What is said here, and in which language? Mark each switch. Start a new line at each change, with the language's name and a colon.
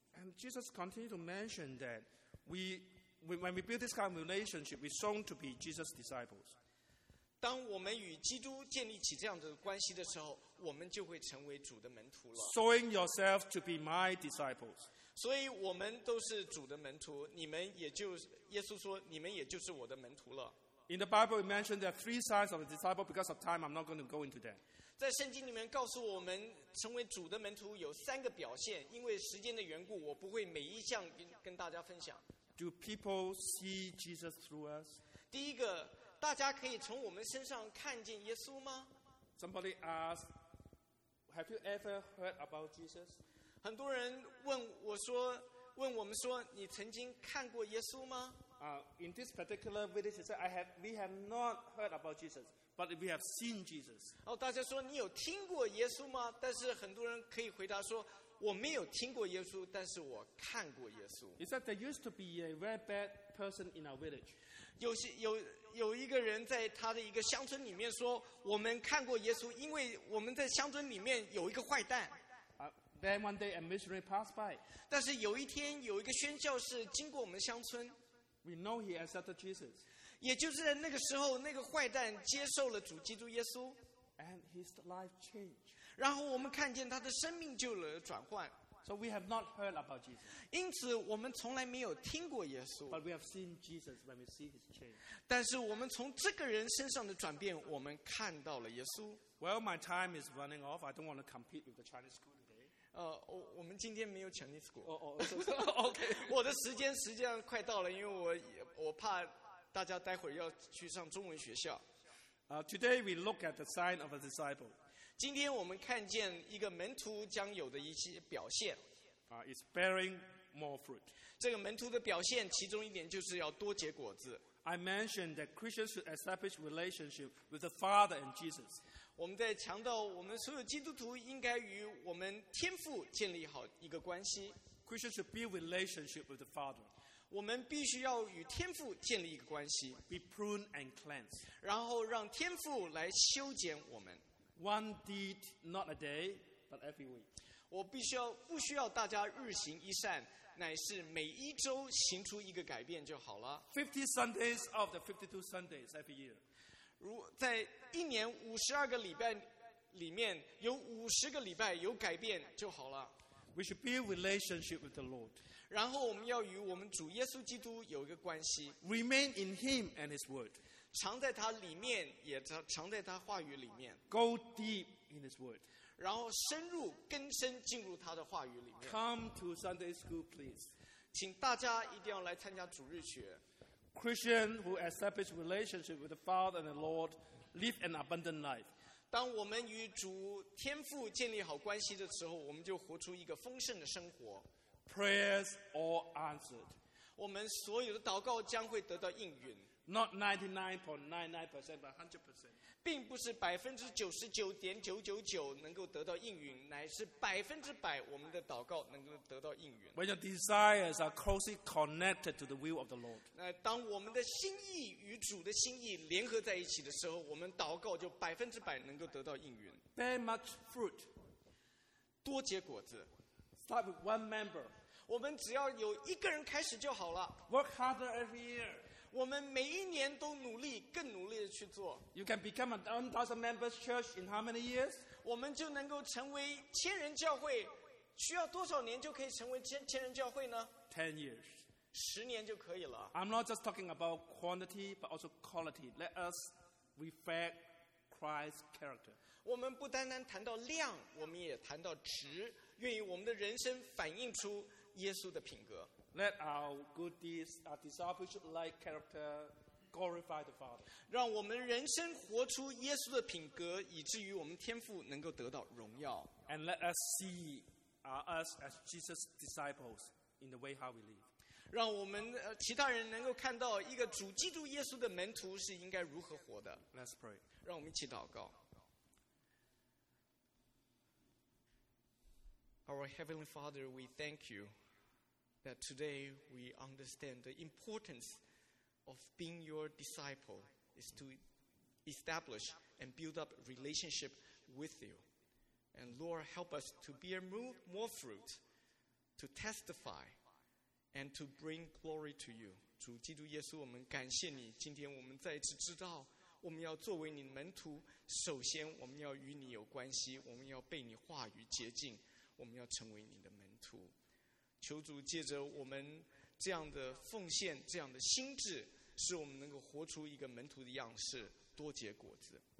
English: And Jesus continued to mention that when we build this kind of relationship, we're shown to be Jesus' disciples.
Chinese: 当我们与基督建立起这样的关系的时候，我们就会成为主的门徒了。
English: Showing yourself to be my disciples.
Chinese: 所以我们都是主的门徒，你们也就耶稣说，你们也就是我的门徒了。
English: In the Bible, it mentions there are three signs of a disciple. Because of time, I'm not going to go into that.
Chinese: 在圣经里面告诉我们，成为主的门徒有三个表现。因为时间的缘故，我不会每一项跟大家分享。
English: Do people see Jesus through us?
Chinese: 第一个。大家可以从我们身上看见耶稣吗？
English: Somebody asked, "Have you ever heard about Jesus?"
Chinese: 很多人问我说，问我们说，你曾经看过耶稣吗？
English: In this particular village, we have not heard about Jesus, but we have seen Jesus.
Chinese: 哦，大家说你有听过耶稣吗？但是很多人可以回答说，我没有听过耶稣，但是我看过耶稣。
English: He said there used to be a very bad person in our village.
Chinese: 有一个人在他的一个乡村里面说，我们看过耶稣，因为我们在乡村里面有一个坏蛋。
English: Then one day a missionary passed by.
Chinese: 但是有一天，有一个宣教士经过我们乡村。
English: We know he accepted Jesus.
Chinese: 也就是在那个时候，那个坏蛋接受了主基督耶稣。
English: And his life changed.
Chinese: 然后我们看见他的生命就有了转换。
English: So we have not heard about Jesus.
Chinese: 因此我们从来没有听过耶稣。
English: But we have seen Jesus when we see his change.
Chinese: 但是我们从这个人身上的转变，我们看到了耶稣。
English: Well, my time is running off. I don't want to compete with the Chinese school.
Chinese: 我们今天没有
English: Chinese school. 哦、oh, 哦、oh, ，OK，
Chinese: 我的时间实际上快到了，因为 我怕大家待会儿要去上中文学校。
English: Today we look at the sign of a disciple.
Chinese: 今天我们看见一个门徒将有的一些表现。
English: It's bearing more fruit.
Chinese: 这个门徒的表现，其中一点就是要多结果子。
English: I mentioned that Christians should establish relationship with the Father and Jesus.
Chinese: 我们在强调，我们所有基督徒应该与我们天父建立好一个关系。
English: Christians should build relationship with the Father.
Chinese: 我们必须要与天父建立一个关系。
English: Be pruned and cleansed.
Chinese: 然后让天父来修剪我们。
English: One deed not a day, but every week.
Chinese: 我必须要不需要大家日行一善。乃是每一周行出一个改变就好了。
English: 50 Sundays of the 52 Sundays every year.
Chinese: 如在一年52个礼拜里面有50个礼拜有改变就好了。
English: We should build relationship with the Lord.
Chinese: 然后我们要与我们主耶稣基督有一个关系。
English: Remain in him and his word.
Chinese: 藏在他里面也藏在他话语里面。
English: Go deep in his word.
Chinese: 然后深入根深进入他的话语里面。
English: Come to Sunday school, please.
Chinese: 请大家一定要来参加主日学。
English: Christian who establish relationship with the Father and the Lord live an abundant life.
Chinese: 当我们与主天父建立好关系的时候，我们就活出一个丰盛的生活。
English: Prayers all answered.
Chinese: 我们所有的祷告将会得到应允。
English: Not 99.99%, but 100%.
Chinese: 并不是 99.999% 能够得到应允，乃是 100% 我们的祷告能够得到应允。
English: When your desires are closely connected to the will of the Lord.
Chinese: 当我们的心意与主的心意联合在一起的时候，我们祷告就 100% 能够得到应允。
English: Bear much fruit.
Chinese: 多结果子。
English: Start with one member.
Chinese: 我们只要有一个人开始就好了。
English: Work harder every year.
Chinese: 我们每一年都努力，更努力的去做。
English: You can become a 1,000 members church in how many years?
Chinese: 我们就能够成为千人教会，需要多少年就可以成为千人教会呢？
English: 10 years.
Chinese: 十年就可以了。
English: I'm not just talking about quantity, but also quality. Let us reflect Christ's character.
Chinese: 我们不单单谈到量，我们也谈到值，愿意我们的人生反映出耶稣的品格。
English: Let our good deeds, our discipleship-like character, glorify the Father.
Chinese: 让我们人生活出耶稣的品格，以至于我们天父能够得到荣耀。
English: And let us see us as Jesus' disciples in the way how we live.
Chinese: 让我们其他人能够看到一个主基督耶稣的门徒是应该如何活的。
English: Let's pray.
Chinese: 让我们一起祷告。
English: Our Heavenly Father, we thank you. That today we understand the importance of being your disciple is to establish and build up relationship with you. And Lord, help us to bear more fruit, to testify, and to bring glory to you.
Chinese: 主基督耶稣，我们感谢你。今天我们再一次知道，我们要作为你的门徒，首先我们要与你有关系，我们要被你话语洁净，我们要成为你的门徒。求主借着我们这样的奉献，这样的心智，使我们能够活出一个门徒的样式，多结果子。